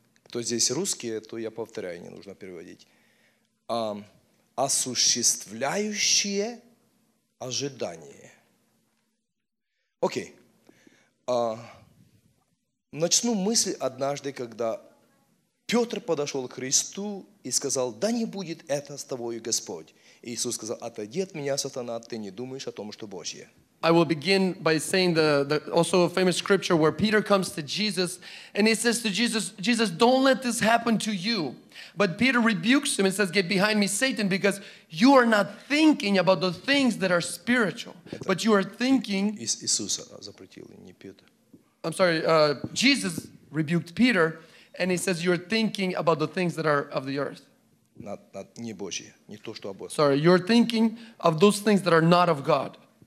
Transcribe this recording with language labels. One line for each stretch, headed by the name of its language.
Russian: Кто здесь русский, то я повторяю, не нужно переводить. Осуществляющие ожидание. Окей. Начну мысль однажды, когда Петр подошел к Христу и сказал: «Да не будет это с тобою, Господь». И Иисус сказал: «Отойди от меня, сатана, ты не думаешь о том, что Божье».
English: I will begin by saying the also a famous scripture where Peter comes to Jesus and he says to Jesus, don't let this happen to you. But Peter rebukes him and says, get behind me, Satan, because you are not thinking about the things that are spiritual, but you are thinking...
Russian: Иисуса запретил, не Петр.
English: I'm sorry, Jesus rebuked Peter and he says, you're thinking about the things that are of the earth.
Russian: Не Божие, не то, что о Боге.
English: Sorry, you're thinking of those things that are not of God.